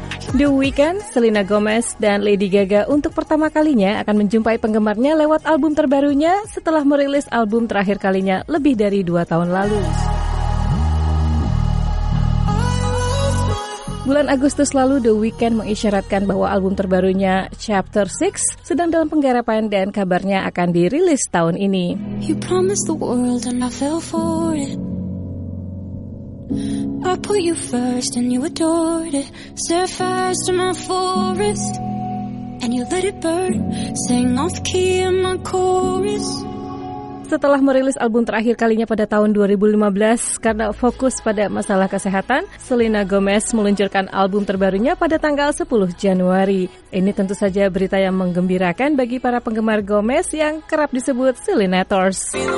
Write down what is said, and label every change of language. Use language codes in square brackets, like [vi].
[id] The Weeknd, Selena Gomez, dan Lady Gaga untuk pertama kalinya akan menjumpai penggemarnya lewat album terbarunya setelah merilis album terakhir kalinya lebih dari 2 tahun lalu. Bulan Agustus lalu, The Weeknd mengisyaratkan bahwa album terbarunya, Chapter 6, sedang dalam penggarapan dan kabarnya akan dirilis tahun ini. [en] You promised the world and I fell for it. I put you first and you adored it. Set fire to my forest and you let it burn. Sing off key in my chorus. [id] Setelah merilis album terakhir kalinya pada tahun 2015, karena fokus pada masalah kesehatan, Selena Gomez meluncurkan album terbarunya pada tanggal 10 Januari. Ini tentu saja berita yang menggembirakan bagi para penggemar Gomez yang kerap disebut Selenators.